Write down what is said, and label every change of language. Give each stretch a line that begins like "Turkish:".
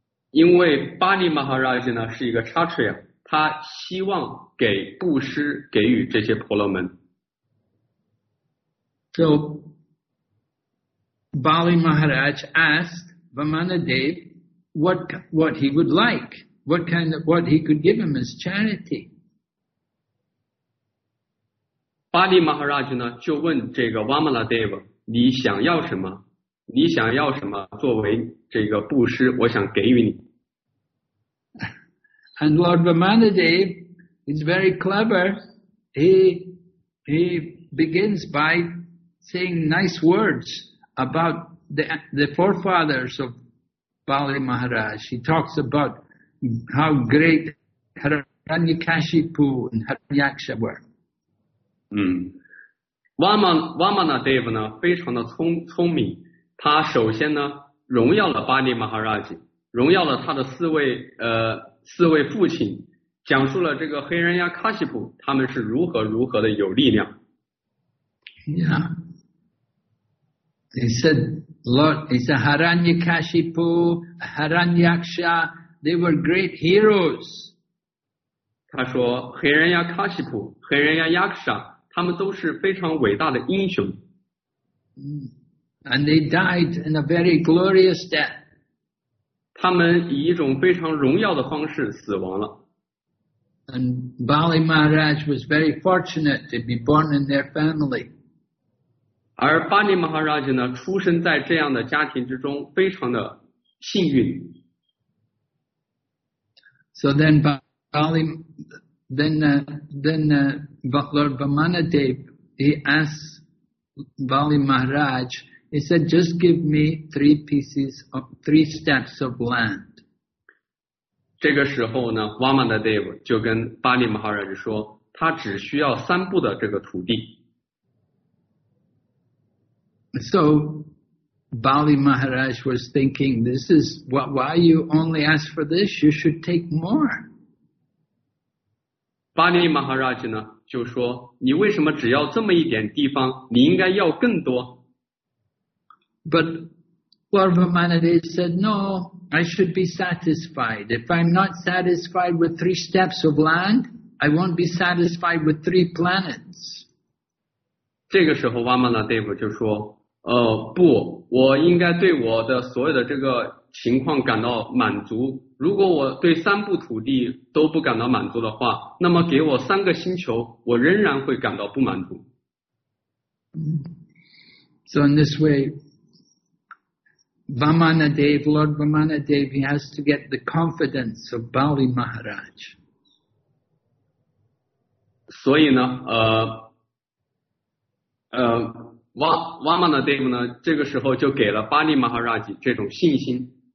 Chinese: 因为 Bali Maharaj 呢是一个 Kshatriya， 他希望给布施给予这些婆罗门。
English: So, Bali Maharaj asked Vamanadev what he would like, what he could give him as charity.
Chinese: 巴利马哈拉吉呢就问这个瓦玛拉德瓦，你想要什么？你想要什么作为这个布施？我想给予你。
English: And Lord Vamanadev is very clever. He begins by saying nice words about the forefathers of Bali Maharaj. He talks about how great Hiranyakashipu and Hiranyaksha were.
Chinese: Vamanadev 呢非常的聪明，他首先呢荣耀了巴利马哈拉吉，荣耀了他的四位父亲，讲述了这个黑人亚卡西普他们是如何的有力量。
English: Yeah, he said, Lord, he said, Hiranyakashipu, Hiranyaksha, they were great heroes.
Chinese: 他说黑人亚卡西普，黑人亚亚克沙。他们都是非常伟大的英雄。
English: And they died in a very glorious death.
Chinese: 他们以一种非常荣耀的方式死亡了。
English: And Bali Maharaj was very fortunate to be born in their family.
Chinese: 而巴利马哈拉吉呢，出生在这样的家庭之中，非常的幸运。
English: So then Lord Vamanadev, he asked Bali Maharaj, he said, just give me three steps of land.
Chinese: 这个时候呢 Vamanadev 就跟 Bali Maharaj 说，他只需要三步的这个土地。
English: So Bali Maharaj was thinking, this is why you only ask for this, you should take more.
Chinese: 巴利马哈拉吉呢就说，你为什么只要这么一点地方，你应该要更多。
English: But Lord Vamanadev said, no, I should be satisfied. If I'm not satisfied with three steps of land, I won't be satisfied with three planets.
Chinese: 这个时候瓦玛拉德夫就说，不，我应该对我的所有的这个情况感到满足，如果我对三部土地都不感到满足的话，那么给我三个星球，我仍然会感到不满足。
English: So in this way, Vamanadev, Lord Vamanadev, he has to get the confidence of Bali Maharaj.
Chinese: 所以呢，Vamanadev 呢，这个时候就给了巴利马哈拉吉这种信心。